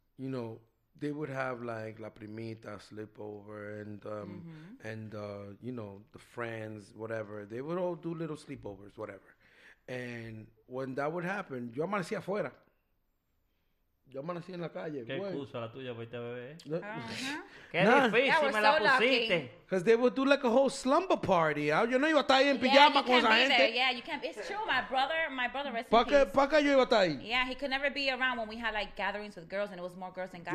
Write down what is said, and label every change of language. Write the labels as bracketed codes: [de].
[en] You know, they would have like [es] la primita [en] sleepover and you know, the friends, whatever. They would all do little sleepovers, whatever. And when that would happen, [es] yo amanecí afuera. Yo amanecí en la calle. Qué excusa la tuya, pues, bebé. Qué difícil, me la pusiste. [en] Because they would do like a whole slumber party. [es] Yo no iba a estar ahí en pijama con esa gente. [en] Yeah, you can't. It's true. My brother, rest in peace. [es] ¿Para qué yo iba a estar ahí? [en] Yeah, he could never be around when we had like gatherings with girls, and it was more girls than guys.